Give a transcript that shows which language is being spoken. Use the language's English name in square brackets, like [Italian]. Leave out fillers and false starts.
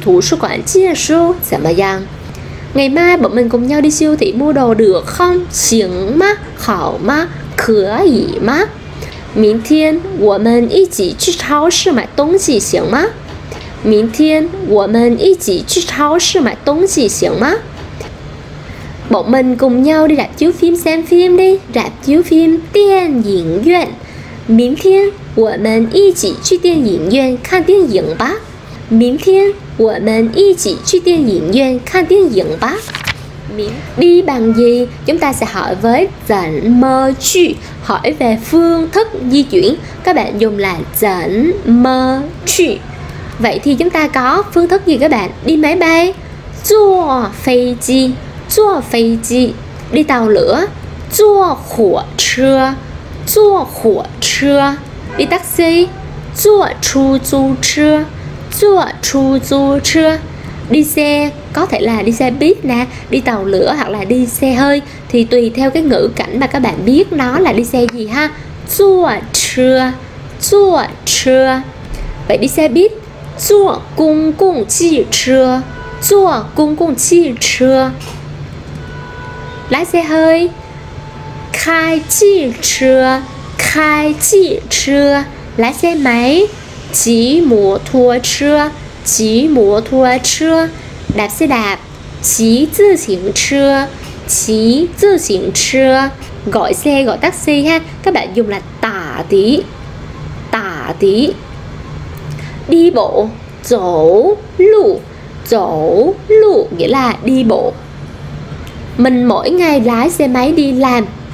[Chinese] 明天我们一起去图书馆借书怎么样? [Vietnamese] Ngày mai bọn mình cùng nhau đi siêu thị mua đồ được không? [Chinese] 行吗?好吗?可以吗? 明天我们一起去超市买东西行吗? 明天我们一起去超市买东西行吗? [Vietnamese] Bọn mình cùng nhau đi rạp chiếu phim xem phim đi. Rạp chiếu phim 电影院. [Chinese] 明天 我们一起去电影院看电影吧. 明天我们一起去电影院看电影吧. [Vietnamese] Đi bằng gì? Chúng ta sẽ hỏi với 怎么去. Hỏi về phương thức di chuyển, các bạn dùng là 怎么去. Vậy thì chúng ta có phương thức gì các bạn? Đi máy bay, 坐飞机, 坐飞机. Đi tàu lửa, 坐火车, 坐火车. Đi taxi, 坐出租车, 坐出租车. Đi xe, có thể là đi xe buýt nè, đi tàu lửa hoặc là đi xe hơi. Thì tùy theo cái ngữ cảnh mà các bạn biết nó là đi xe gì ha. [Chinese] 坐车, 坐车. [Vietnamese] Vậy đi xe buýt, 坐公共汽车, 坐公共汽车. Lái xe hơi, 开汽车, 开汽车. Lái xe máy, 骑摩托车, 骑摩托车. Đạp xe đạp, 骑自行车, 骑自行车. Gọi xe, gọi taxi ha, các bạn dùng là 打的, 打的. Đi bộ, 走路, 走路, nghĩa là đi bộ. Mình mỗi ngày lái xe máy đi làm.